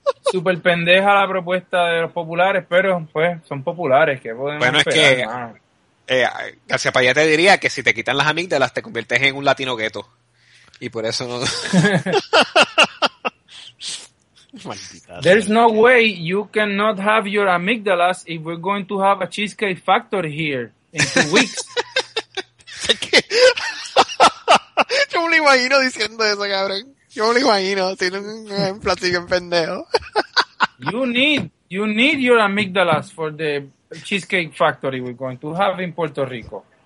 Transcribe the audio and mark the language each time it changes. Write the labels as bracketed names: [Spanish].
[Spanish] Super pendeja la propuesta de los populares, pero pues son populares, que podemos bueno, esperar, es que García Padilla te diría que si te quitan las amígdalas te conviertes en un latino gueto y por eso no. [English] There's no way you cannot have your amygdalas if we're going to have a cheesecake factory here in 2 weeks. [Spanish] Yo me lo imagino diciendo eso, cabrón. Yo me lo imagino, tiene un platillo en pendejo. [English] You need your amygdalas for the Cheesecake Factory we're going to have in Puerto Rico.